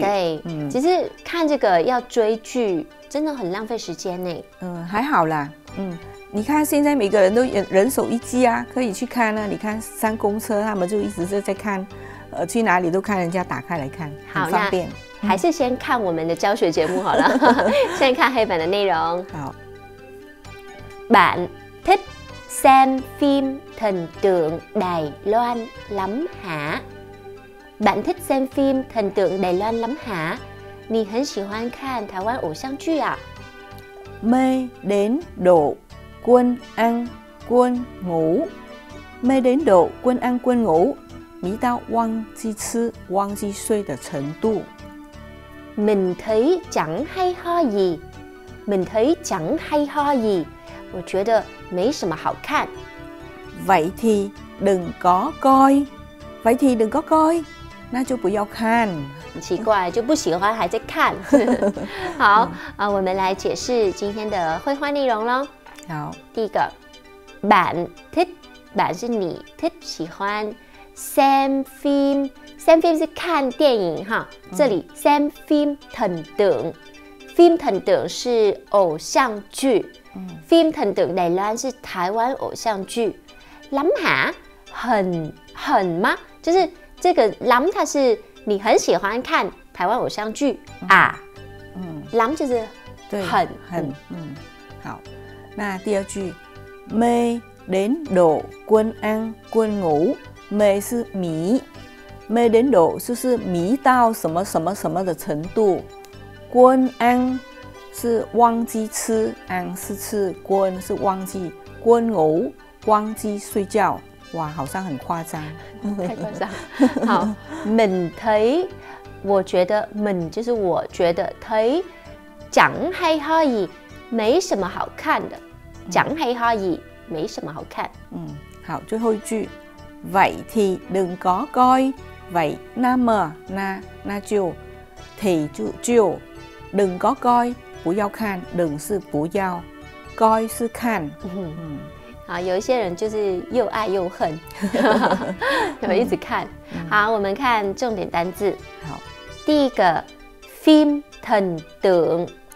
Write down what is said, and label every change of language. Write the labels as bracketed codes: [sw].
[zh] 对，其实看这个要追剧真的很浪费时间呢。还好啦。你看现在每个人都人手一机啊，可以去看啊。你看上公车他们就一直在看，去哪里都看人家打开来看，很方便。还是先看我们的教学节目好了。先看黑板的内容。好， [vi] 板 thích xem phim thần tượng Đài Loan lắm hả? Bạn thích xem phim thần tượng Đài Loan lắm hả? [zh] 你很喜欢看台湾偶像剧啊？ [vi] mê đến độ quên ăn quên ngủ, mê đến độ quên ăn quên ngủ, [zh] 迷到忘记吃忘记睡的程度。 [vi] mình thấy chẳng hay ho gì, mình thấy chẳng hay ho gì, [zh] 我觉得没什么好看。 [vi] vậy thì đừng có coi, vậy thì đừng có coi, [zh] 那就不要看。奇怪，就不喜欢还在看。好啊，我们来解释今天的绘画内容喽。好，第一个，板 thích, 板是你 thích 喜欢。 Xem phim 是看电影哈，这里xem phim thần tượng， phim thần tượng 是偶像剧， [vi] phim thần tượng Đài Loan [zh] 是台湾偶像剧。 lắm hả， 很吗？就是这个lắm，它是你很喜欢看台湾偶像剧啊。 lắm 就是很。好，那第二句， [vi] mê đến độ quên ăn quên ngủ。 [zh] mê 是迷， [vi] mê đến độ [zh] 就是迷到什么什么什么的程度。 quên ăn 是忘记吃，ăn 是吃，quên 是忘记， [vi] quên ngủ [zh] 忘记睡觉。哇，好像很夸张，太夸张。好，mình thấy 我觉得 ，mình 就是我觉得 ，thấy 讲 hay 可以，没什么好看的，讲 hay 可以，没什么好看。好，最后一句。 vậy thì đừng có coi vậy na mờ na na chiều thì chiều đừng có coi bố giao khan đừng sư bố giao coi sư khan 好，有一些人就是又爱又恨，就一直看。好，我们看重点单字。好，第一个 phim thần tượng，